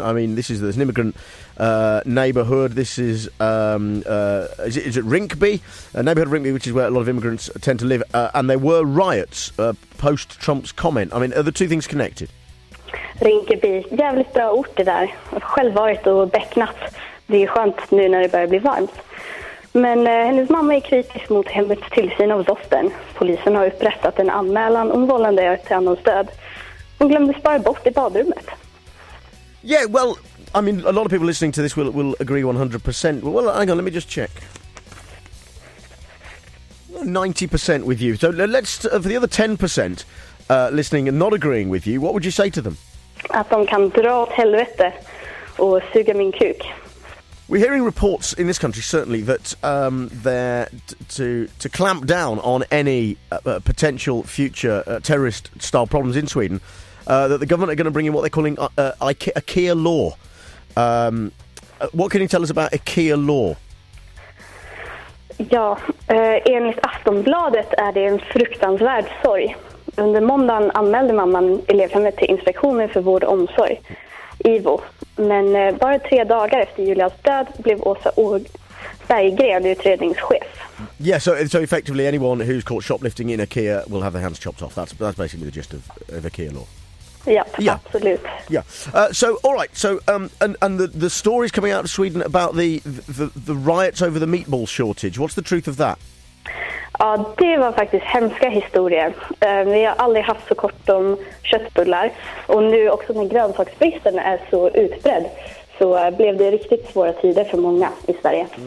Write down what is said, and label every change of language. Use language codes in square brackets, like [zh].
[en] I mean, this is, there's an immigrant neighbourhood. This is it Rinkeby? A neighbourhood of Rinkeby, which is where a lot of immigrants tend to live. And there were riots post Trump's comment. I mean, are the two things connected? [sv] Rinkeby, jävligt bra ort det där. Själv varit och bäcknat. Det är skönt nu när det börjar bli varmt. Men hennes mamma är kritisk mot hemmets tillsyn av dottern. Polisen har upprättat en anmälan om vållande till annans död. Hon glömde spara bort i badrummet. [en] Yeah, well, I mean, a lot of people listening to this will agree 100%. Well, hang on, let me just check. No, 90% with you. So let's for the other 10% listening and not agreeing with you, what would you say to them? [sv] Att de kan dra åt helvete och suga min kuk. [en] We're hearing reports in this country, certainly, that they're to clamp down on any potential future terrorist-style problems in Sweden, that the government are going to bring in what they're calling IKEA law. What can you tell us about IKEA law? [sv] Ja, enligt Aftonbladet är det en fruktansvärd sorg. Under måndagen anmälde man elevhemmet till Inspektionen för vård och omsorg, IVO. Men bara 3 dagar efter Julias död blev Åsa Berggren utredningschef. [en] Yeah, so effectively anyone who's caught shoplifting in IKEA will have their hands chopped off. That's basically the gist of IKEA law. Yeah, absolutely. Yeah. So all right. So and the stories coming out of Sweden about the riots over the meatball shortage. What's the truth of that? [sv] Ja, det var faktiskt hemska historier. Vi har aldrig haft så kort om köttbullar. Och nu också när grönsaksbristen är så utbredd så blev det riktigt svåra tider för många i Sverige.